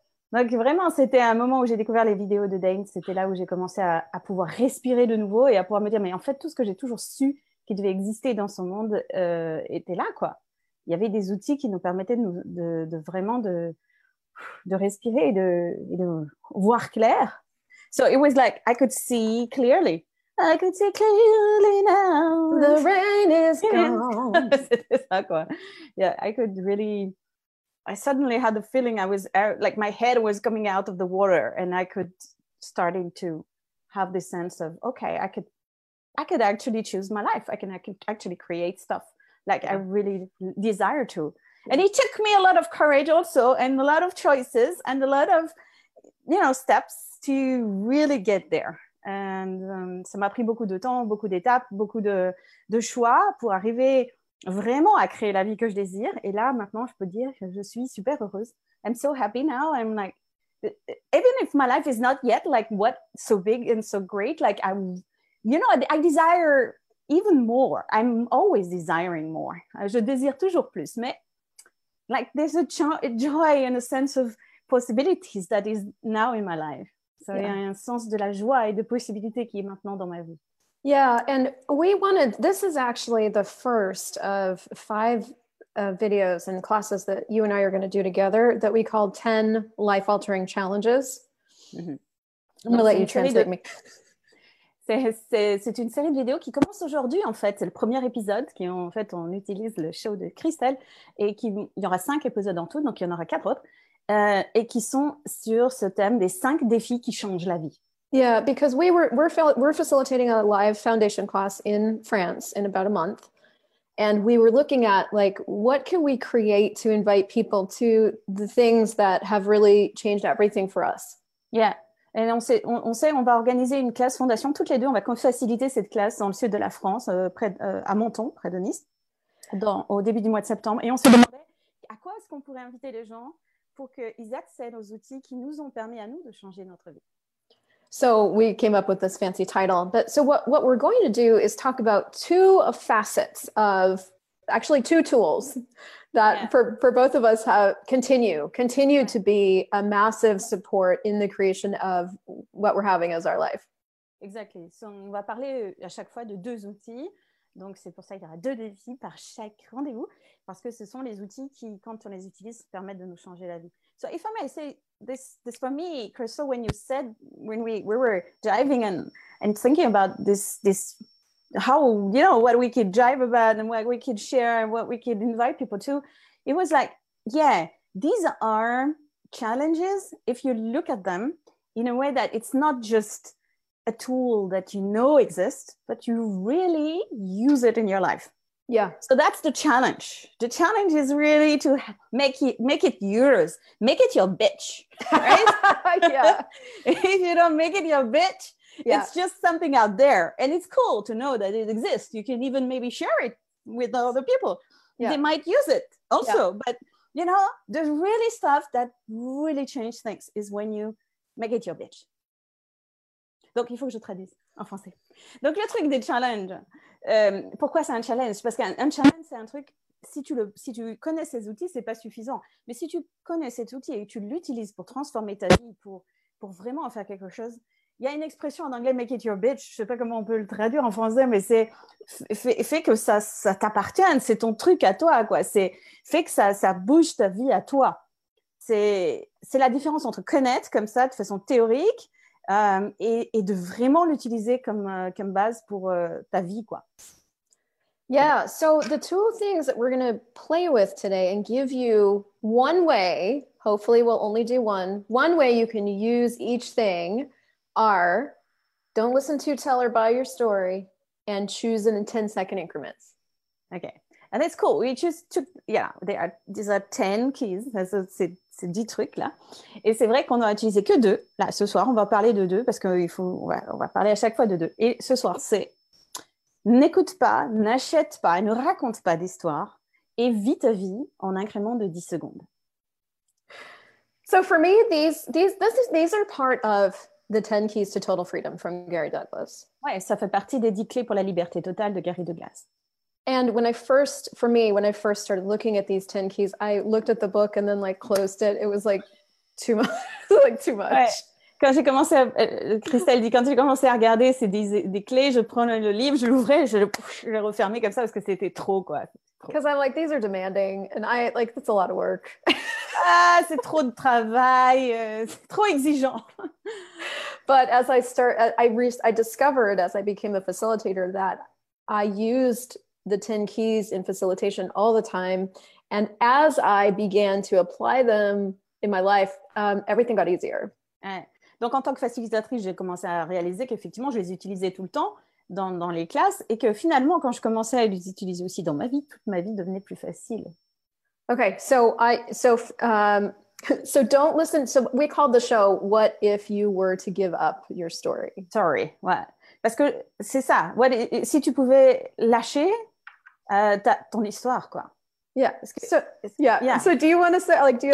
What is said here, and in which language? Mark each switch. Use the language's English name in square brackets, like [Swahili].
[French] Donc vraiment, c'était un moment où j'ai découvert les vidéos de Dane. C'était là où j'ai commencé à pouvoir respirer de nouveau et à pouvoir me dire, mais en fait, tout ce que j'ai toujours su qui devait exister dans son monde était là, quoi. Il y avait des outils qui nous permettaient de respirer et de voir clair. [English] So it was like I could see clearly. I could see clearly now. The rain is gone. [French] C'était ça, quoi. [English] Yeah, I could really. I suddenly had the feeling I was like my head was coming out of the water, and I could starting to have this sense of okay, I could actually choose my life. I can actually create stuff like I really desire to. And it took me a lot of courage also and a lot of choices and a lot of, you know, steps to really get there. [French] And ça m'a pris beaucoup de temps, beaucoup d'étapes, beaucoup de choix pour arriver vraiment à créer la vie que je désire. Et là, maintenant, je peux dire que je suis super heureuse. [English] I'm so happy now. I'm like, even if my life is not yet like what so big and so great, like I'm, you know, I desire even more. I'm always desiring more. [French] Je désire toujours plus, [English] mais like there's a joy and a sense of possibilities that is now in my life. So yeah. [French] Il y a un sens de la joie et de possibilités qui est maintenant dans ma vie. [English] Yeah, and we wanted, this is actually the first of five videos and classes that you and I are going to do together that we call 10 life-altering challenges. Mm-hmm. I'm going to let you translate me. [French] C'est une série de vidéos qui commence aujourd'hui, en fait. C'est le premier épisode qui, en fait, on utilise le show de Christel. Et il y aura 5 épisodes en tout, donc il y en aura 4 autres. Et qui sont sur ce thème des 5 défis qui changent la vie. [English] Yeah, because we're facilitating a live foundation class in France in about a month. And we were looking at, like, what can we create to invite people to the things that have really changed everything for us? Yeah. [French] Et on sait, on va organiser une classe fondation toutes les deux. On va faciliter cette classe dans le sud de la France, à Menton, près de Nice, au début du mois de septembre. Et on se demandait à quoi est-ce qu'on pourrait inviter les gens pour qu'ils accèdent aux outils qui nous ont permis à nous de changer notre vie. [English] So we came up with this fancy title. But so what we're going to do is talk about two facets of actually two tools that for both of us have continue to be a massive support in the creation of what we're having as our life. Exactly. [French] So on va parler à chaque fois de deux outils. Donc, c'est pour ça qu'il y aura deux défis par chaque rendez-vous, parce que ce sont les outils qui, quand on les utilise, permettent de nous changer la vie. [English] So, if I may say this for me, Crystal, when you said, when we were driving and thinking about this, how, you know, what we could drive about and what we could share and what we could invite people to, it was like, yeah, these are challenges, if you look at them in a way that it's not just a tool that you know exists, but you really use it in your life. Yeah. So that's the challenge. The challenge is really to make it yours. Make it your bitch. Right? Yeah. If you don't make it your bitch, it's just something out there. And it's cool to know that it exists. You can even maybe share it with other people. Yeah. They might use it also. Yeah. But you know, the really stuff that really changes things is when you make it your bitch. [French] Donc, il faut que je traduise en français. Donc, le truc des challenges, pourquoi c'est un challenge? Parce qu'un challenge, c'est un truc, si tu connais ces outils, ce n'est pas suffisant. Mais si tu connais cet outil et que tu l'utilises pour transformer ta vie, pour vraiment en faire quelque chose, il y a une expression en anglais, [English] make it your bitch, [French] je ne sais pas comment on peut le traduire en français, mais c'est fait que ça t'appartienne, c'est ton truc à toi, quoi. C'est fait que ça bouge ta vie à toi. C'est la différence entre connaître comme ça de façon théorique et de vraiment l'utiliser comme base pour ta vie, quoi. [English] Yeah, so the two things that we're going to play with today and give you one way, hopefully we'll only do one way you can use each thing are don't listen to tell or buy your story and choose in 10-second increments. Okay, and it's cool. We just took, these are 10 keys. [French] C'est 10 trucs là. Et c'est vrai qu'on n'a utilisé que deux. Là, ce soir, on va parler de deux parce qu'on va parler à chaque fois de deux. Et ce soir, c'est n'écoute pas, n'achète pas, ne raconte pas d'histoire et vis ta vie en incrément de 10 secondes. [English] So for me, these are part of the 10 keys to total freedom from Gary Douglas. [French] Ouais, ça fait partie des 10 clés pour la liberté totale de Gary Douglas. [English] And when I first started looking at these 10 keys, I looked at the book and then like closed it. It was like too much. [French] Ouais. Quand j'ai commencé à, Christelle dit, quand j'ai commencé à regarder ces 10 clés, je prenais le livre, je l'ouvrais, je le refermais comme ça parce que c'était trop, quoi. [English] Because I'm like, these are demanding. And I like, that's a lot of work. [French] Ah, c'est trop de travail. C'est trop exigeant. [English] But as I start, I discovered as I became a facilitator that I used the 10 keys in facilitation all the time. And as I began to apply them in my life, everything got easier. [French] Ouais. Donc en tant que facilitatrice, j'ai commencé à réaliser qu'effectivement, je les utilisais tout le temps dans les classes et que finalement, quand je commençais à les utiliser aussi dans ma vie, toute ma vie devenait plus facile. [English] Okay, so don't listen. So we called the show, What If You Were to Give Up Your Story? [French] Sorry, ouais. Parce que c'est ça. What, si tu pouvais lâcher ton histoire, quoi. [English] Yeah. So do you want to say, like, do you